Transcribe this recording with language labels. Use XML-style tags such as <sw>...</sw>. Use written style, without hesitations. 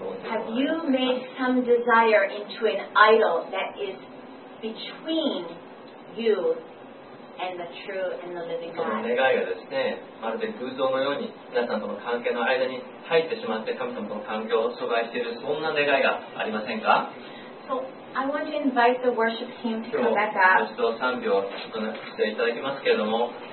<en>Have you made some desire into an idol that is between you and the true and the living God?</en> <ja>その願いがですね、まるで偶像のように皆さんとの関係の間に入ってしまって神様との関係を阻害しているそんな願いがありませんか</ja> <en>So I want to invite the worship team to come back up.</en> <ja>今日もう一度賛美をちょっとしていただきますけれども。</ja>